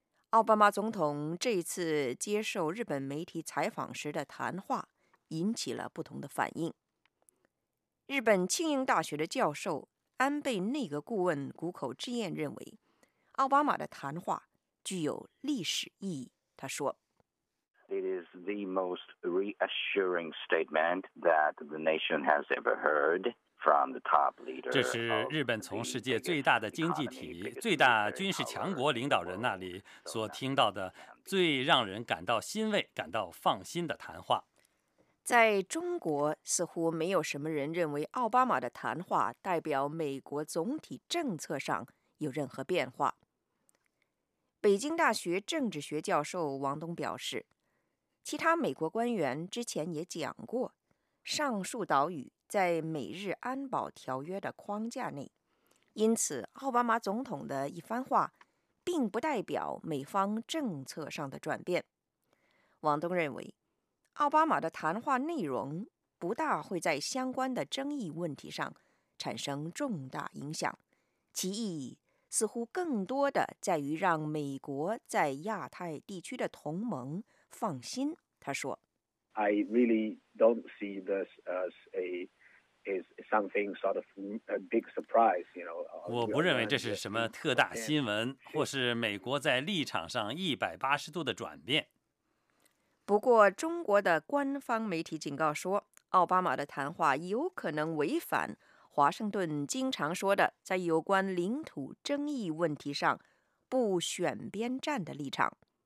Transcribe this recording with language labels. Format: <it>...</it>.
<zh>奥巴马总统这次接受日本媒体采访时的谈话引起了不同的反应。日本庆应大学的教授安倍内阁顾问谷口智彦认为，奥巴马的谈话具有历史意义。他说</zh> <en>：“It is the most reassuring statement that the nation has ever heard from the top leader。”</en> <zh>这是日本从世界最大的经济体、最大军事强国领导人那里所听到的最让人感到欣慰、感到放心的谈话。在中国，似乎没有什么人认为奥巴马的谈话代表美国总体政策上有任何变化。北京大学政治学教授王东表示，其他美国官员之前也讲过，上述岛屿在美日安保条约的框架内，因此奥巴马总统的一番话并不代表美方政策上的转变。王东认为，奥巴马的谈话内容不大会在相关的争议问题上产生重大影响，其意义似乎更多的在于让美国在亚太地区的同盟放心。他说</zh> <en>：“I really don't see this as something sort of a big surprise, you know。”</en> <zh>我不认为这是什么特大新闻，或是美国在立场上180度的转变。不过，中国的官方媒体警告说，奥巴马的谈话有可能违反华盛顿经常说的在有关领土争议问题上不选边站的立场。</zh>